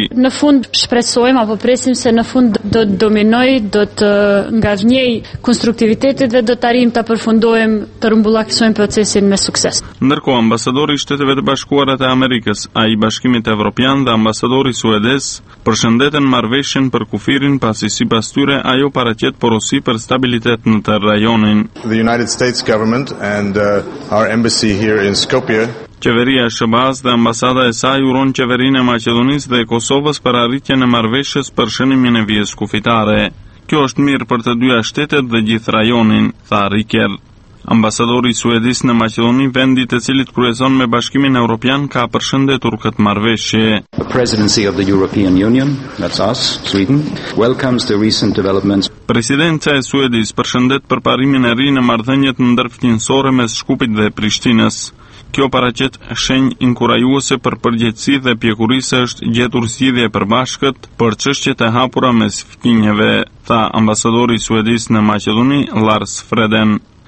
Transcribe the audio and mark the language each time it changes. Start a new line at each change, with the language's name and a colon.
Albanian: Në fund shpresojmë apo presim se në fund do të dominoj, do të ngavnjej konstruktivitetit dhe do të arrim të përfundojmë të rrumbullaksojmë procesin me sukses. Ndërkohë, ambasadori i Shteteve të Bashkuara të Amerikës, ai i Bashkimit Evropian dhe ambasadori suedez përshëndetën marrëveshjen për kufirin pasi sipas tyre ajo paraqet porosi për stabilitet në të rajonin.
English: The United States government and our embassy here in Skopje.
Albanian: Qeveria e SBA-s dhe ambasada e saj uron qeverinë e Maqedonisë dhe Kosovës për arritjen e marrëveshjes për shënimin e vijës kufitare. Kjo është mirë për të dyja shtetet dhe gjithë rajonin, tha Riker. Ambasadori suedez në Maqedoni, vendi të cilit kryeson me Bashkimin Evropian, ka përshëndetur këtë marrëveshje.
English: The presidency of the European Union, that's us, Sweden, welcomes the recent developments.
Albanian: Presidenca e Suedis përshëndet përparimin e ri në marrëdhëniet ndërfqinësore mes Shkupit dhe Prishtinës. Kjo paraqet shenjë inkurajuese për përgjegjësi dhe pjekuri se është gjetur zgjidhje e përbashkët për çështjet e hapura mes fqinjeve, tha ambasadori suedez në Maqedoni Lars Freden.